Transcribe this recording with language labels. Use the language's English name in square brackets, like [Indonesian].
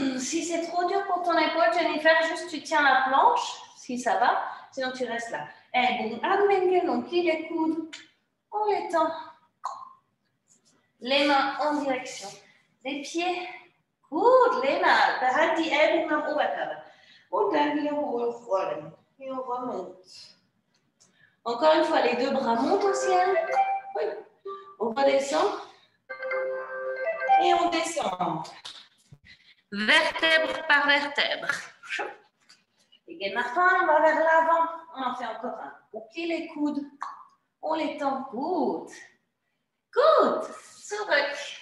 [French] Si c'est trop dur pour ton épaule, Jennifer, juste tu tiens la planche, si ça va, sinon tu restes là. Et bon, amène-les, on plie les coudes, on les tend. Les mains en direction des pieds. [German] Gut, Lena, da hat die Ellbogen am Oberkörper. Und dann wiederholen, Freunde. [French] Et on remonte. Encore une fois, les deux bras montent au ciel. Oui. On redescend. Et on descend. Vertèbre par vertèbre. Égale ma fin, on va vers l'avant. On en fait encore un. On plie les coudes. On les tend. [German] Gut. Gut. Zurück.